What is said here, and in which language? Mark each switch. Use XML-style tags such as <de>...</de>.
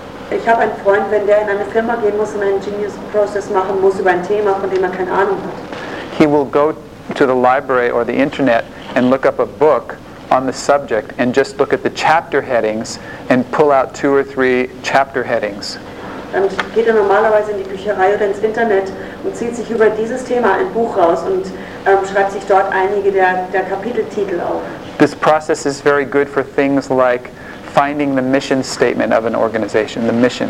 <de>Ich habe einen Freund, wenn der in eine Firma gehen muss und einen genius process machen muss über ein Thema, von dem er keine Ahnung hat.</de> <en>He will go to the library or the internet and look up a book on the subject and just look at the chapter headings and pull out two or three chapter headings.</en> <de>Dann geht er normalerweise in die Bücherei oder ins Internet und zieht sich über dieses Thema ein Buch raus und schreibt sich dort einige der Kapiteltitel auf.</de> <en>This process is very good for things like finding the mission statement of an organization, the mission.</en>